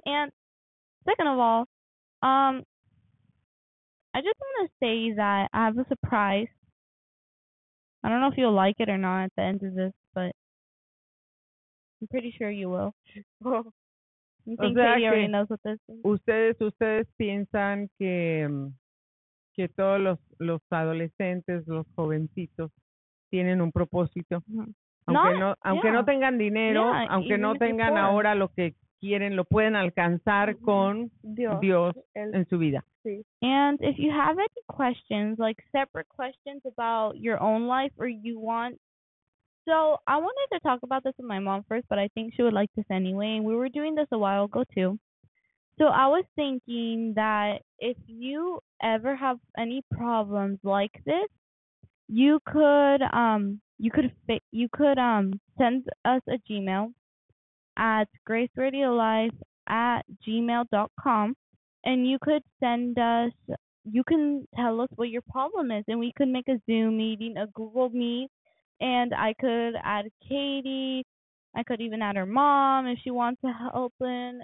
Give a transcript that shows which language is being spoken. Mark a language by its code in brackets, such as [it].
[en] And second of all, I just want to say that I have a surprise. I don't know if you'll like it or not at the end of this, but I'm pretty sure you will. I think Katie already knows what this is. [es] Ustedes piensan que todos los adolescentes, los jovencitos, tienen un propósito. Aunque no tengan dinero, [en] yeah, [es] aunque no tengan [en] before. [es] Ahora lo que quieren, lo pueden alcanzar con Dios en su vida. Sí. [en] And if you have any questions, like separate questions about your own life or you want... So I wanted to talk about this with my mom first, but I think she would like this anyway. We were doing this a while ago too. So I was thinking that if you ever have any problems like this, you could send us a Gmail at graceradiolife@gmail.com, and you could send us, you can tell us what your problem is, and we could make a Zoom meeting, a Google Meet, and I could add Katie, I could even add her mom if she wants to help in.